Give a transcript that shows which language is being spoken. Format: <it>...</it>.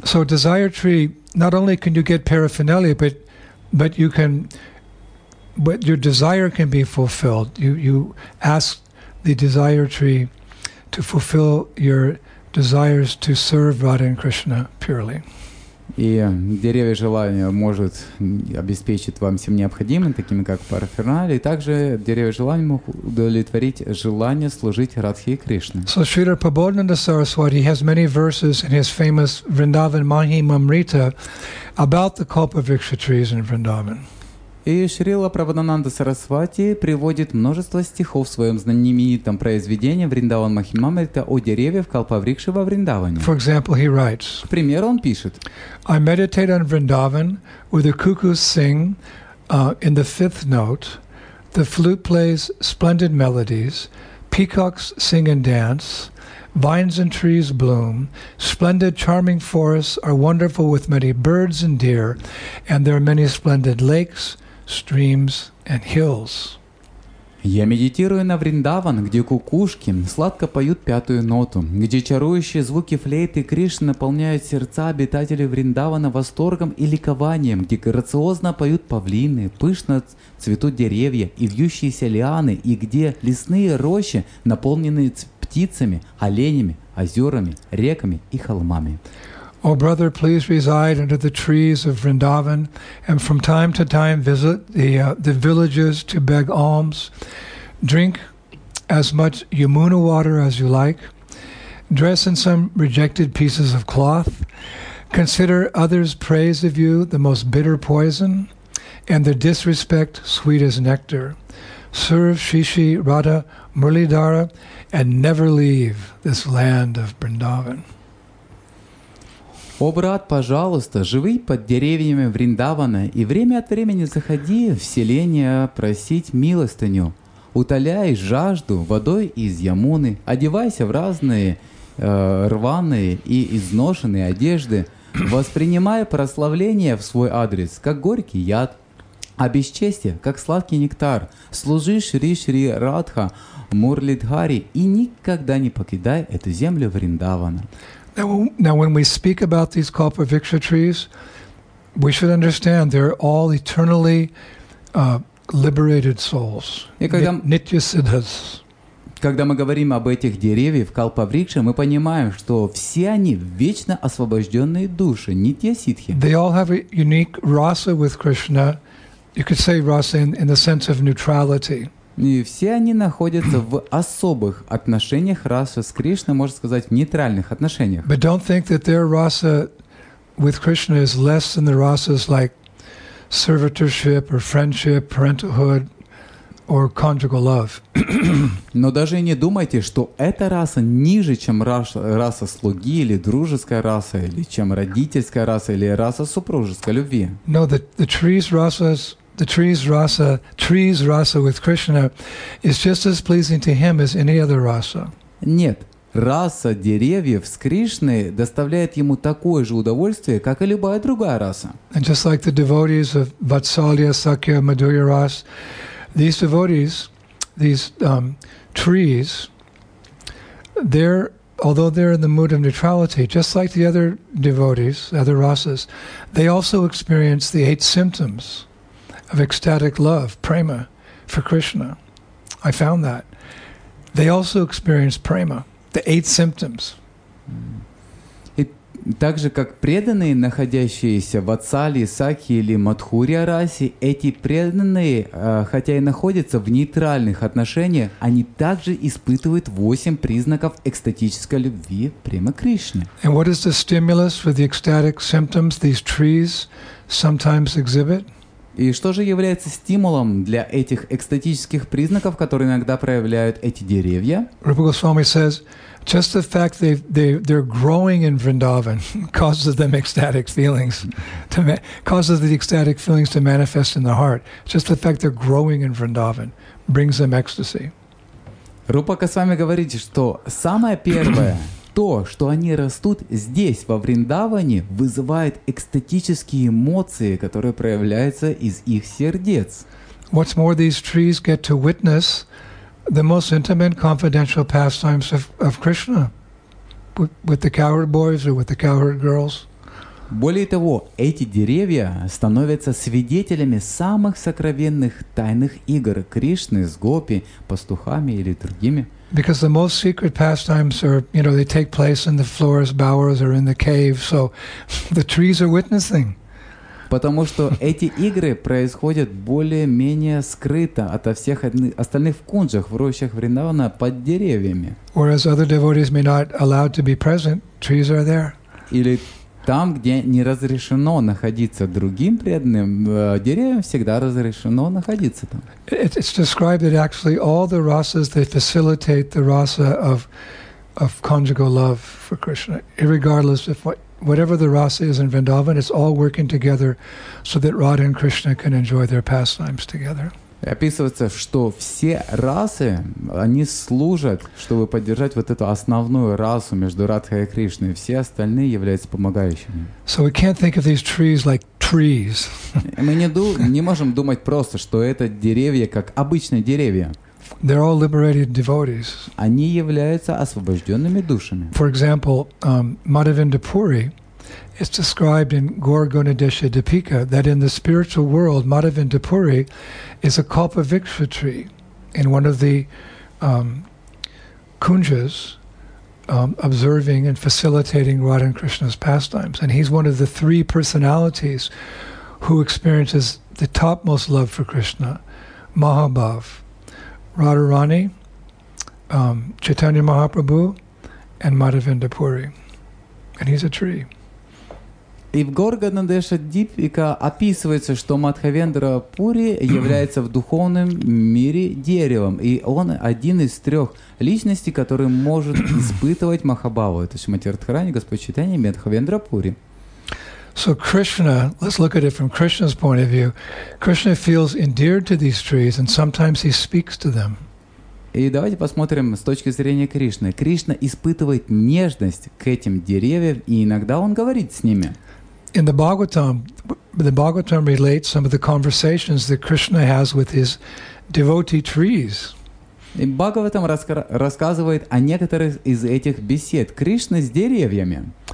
<en>So desire tree, not only can you get paraphernalia, but your desire can be fulfilled. You ask the desire tree to fulfill your desires to serve Radha and Krishna purely.</en> <ru>И деревья желания может обеспечить вам всем необходимым, такими как параферналии, и также деревья желания могут удовлетворить желание служить Радхе и Кришне.</ru> <en>So Śrīla Prabodhananda Saraswati has many verses in his famous Vrindavan Mahimamrita about the kalpa vriksha trees in Vrindavan.</en> <ru>И Śrīla Prabodhananda Saraswati приводит множество стихов в своем знаменитом произведении Vrindavan Mahimamrita о деревьях Калпаврикши во Вриндаване.</ru> <en>For example, he writes,</en> <ru>к примеру, он пишет:</ru> <en>I meditate on Vrindavan where the cuckoos sing in the fifth note, the flute plays splendid melodies, peacocks sing and dance, vines and trees bloom, splendid charming forests are wonderful with many birds and deer, and there are many splendid lakes, streams and hills.</en> <ru>Я медитирую на Вриндаван, где кукушки сладко поют пятую ноту, где чарующие звуки флейты Кришны наполняют сердца обитателей Вриндавана восторгом и ликованием, где грациозно поют павлины, пышно цветут деревья и вьющиеся лианы, и где лесные рощи, наполненные птицами, оленями, озерами, реками и холмами.</ru> <en>O brother, please reside under the trees of Vrindavan and from time to time visit the villages to beg alms. Drink as much Yamuna water as you like. Dress in some rejected pieces of cloth. Consider others' praise of you the most bitter poison and their disrespect sweet as nectar. Serve Shishi Radha Murlidhara and never leave this land of Vrindavan.</en> <ru>О, брат, пожалуйста, живи под деревьями Вриндавана и время от времени заходи в селение просить милостыню. Утоляй жажду водой из Ямуны, одевайся в разные рваные и изношенные одежды, воспринимай прославление в свой адрес, как горький яд, а бесчестие, как сладкий нектар. Служи Шри Шри Радха Мурлидхари и никогда не покидай эту землю Вриндавана.</ru> <en>Now, when we speak about these kalpa vriksha trees, we should understand they're all eternally liberated souls, nitya siddhas.</en> <ru>Когда мы говорим об этих деревьях kalpa vriksha, мы понимаем, что все они вечно освобожденные души, нитья сиддхи.</ru> <en>They all have a unique rasa with Krishna. You could say rasa in the sense of neutrality.</en> <ru>И все они находятся в особых отношениях раса с Кришной, можно сказать, в нейтральных отношениях.</ru> <en>But don't think that their rasa with Krishna is less than the rasas like servitorship or friendship, parenthood or conjugal love.</en> <ru>Но даже не думайте, что эта раса ниже, чем раса слуги или дружеская раса, или чем родительская раса, или раса супружеской любви.</ru> <en>No, the trees rasas. The trees rasa with Krishna is just as pleasing to him as any other rasa.</en> <ru>Нет, раса деревьев с Кришной доставляет ему такое же удовольствие, как и любая другая раса.</ru> <en>And just like the devotees of Vatsalya, Sakya, Madhurya Ras, these devotees, these trees, they're although they're in the mood of neutrality, just like the other devotees, other rasas, they also experience the eight symptoms of ecstatic love, prema, for Krishna. I found that. They also experience prema, the eight symptoms.</en> <ru>И так же, как преданные, находящиеся в Ацали, Сакхи или Мадхурья расе, эти преданные, хотя и находятся в нейтральных отношениях, они также испытывают восемь признаков экстатической любви према Кришне.</ru> <en>And what is the stimulus for the ecstatic symptoms these trees sometimes exhibit?</en> <ru>И что же является стимулом для этих экстатических признаков, которые иногда проявляют эти деревья?</ru> <en>Rupa Goswami says, just the fact they're growing in Vrindavan causes them ecstatic feelings, causes the ecstatic feelings to manifest in the heart. Just the fact they're growing in Vrindavan brings them ecstasy.</en> <ru>Rupa Goswami говорит, что самое первое то, что они растут здесь, во Вриндаване, вызывает экстатические эмоции, которые проявляются из их сердец.</ru> <en>What's more, these trees get to witness the most intimate confidential pastimes of Krishna with the cowherd boys or with the cowherd girls.</en> <ru>Более того, эти деревья становятся свидетелями самых сокровенных тайных игр Кришны с гопи, пастухами или другими.</ru> <en>Because the most secret pastimes are, you know, they take place in the forest, bowers or in the cave, so the trees are witnessing.</en> <ru>Потому что эти игры происходят более-менее скрыто ото всех остальных в кунджах, в рощах Вриндавана, под деревьями.</ru> <en>Whereas other devotees may not allowed to be present, trees are there.</en> <ru>Или там, где не разрешено находиться другим преданным, деревьям всегда разрешено находиться там.</ru> <en>It's described that actually all the rasas, they facilitate the rasa of conjugal love for Krishna, irregardless of whatever the rasa is in Vrindavan, it's all working together so that Radha and Krishna can enjoy their pastimes together.</en> <ru>Описывается, что все расы, они служат, чтобы поддержать вот эту основную расу между Радхой и Кришной. Все остальные являются помогающими.</ru> <en>So we can't think of these trees like trees.</en> <ru>Мы не можем думать просто, что это деревья как обычные деревья.</ru> <en>They're all liberated devotees.</en> <ru>Они являются освобожденными душами.</ru> <en>For example, Madhavendapuri is described in Gaur Gonadesha Deepika that in the spiritual world, Madhavendapuri is a kalpa viksha tree in one of the kunjas, observing and facilitating Radha and Krishna's pastimes. And he's one of the three personalities who experiences the topmost love for Krishna, Mahabhav, Radharani, Chaitanya Mahaprabhu, and Madhavendapuri. And he's a tree.</en> <ru>И в Горганадеша Дипика описывается, что Мадхавендра Пури является в духовном мире деревом, и он один из трех личностей, который может испытывать Махабаву, то есть Матиртхарани, Господь Читания, Мадхавендра Пури.</ru> <en>So Krishna, let's look at it from Krishna's point of view. Krishna feels endeared to these trees, and sometimes he speaks to them.</en> <ru>И давайте посмотрим с точки зрения Кришны. Кришна испытывает нежность к этим деревьям, и иногда он говорит с ними.</ru> <en>In the Bhagavatam relates some of the conversations that Krishna has with his devotee trees.</en> <ru>И Бхагаватам рассказывает о некоторых из этих бесед Кришны с деревьями.</ru>